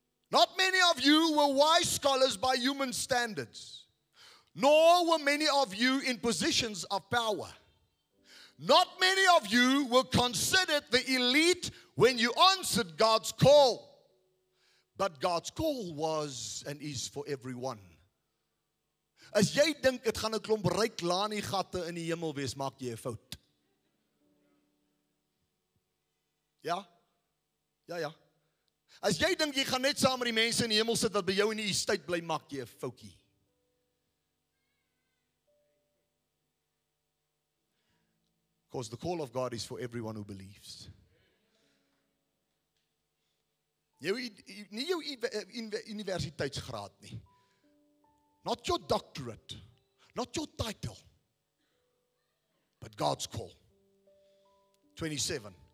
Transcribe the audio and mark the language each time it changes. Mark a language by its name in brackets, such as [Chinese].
[English] Not many of you were wise scholars by human standards, nor were many of you in positions of power. Not many of you were considered the elite when you answered God's call. But God's call was and is for everyone. [Afrikaans] As jy dink het gaan 'n klomp ryk lanie gatte in die hemel wees, maak jy 'n fout. Ja? Ja, ja. As jy dink jy gaan net saam met die mense in die hemel sit wat by jou in die estate bly, maak jy 'n foutie. [English] Because the call of God is for everyone who believes. [Afrikaans] Nie jou universiteitsgraad nie. [English] Not your doctorate. Not your title. But God's call. 27.